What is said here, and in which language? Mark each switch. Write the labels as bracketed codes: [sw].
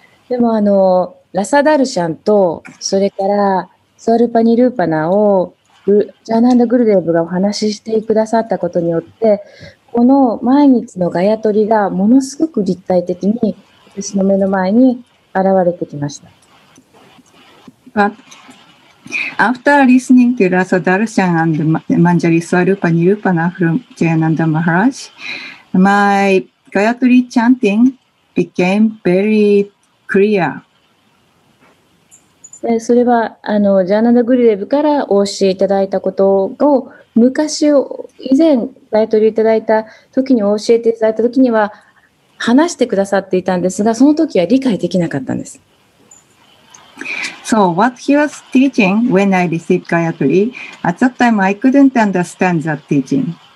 [ja] でも、ラサダルシャンと、それから、スワルパニルーパナを、ジャーナンダ・グルデーブがお話ししてくださったことによって、この毎日のガヤトリがものすごく立体的に私の目の前に現れてきました。 [en] But after listening to Rasa Darshan and Manjari Swarupa Nirupana from Jayananda Maharaj, my Gayatri chanting became very clear. [ja] それはあのジャーナダグルデブからお教えいただいたことを昔を以前バイトリーいただいた時に教えていただいた時には話してくださっていたんですがその時は理解できなかったんです。 [en] So what he was teaching when I received Gayatri, at that time I couldn't understand that teaching.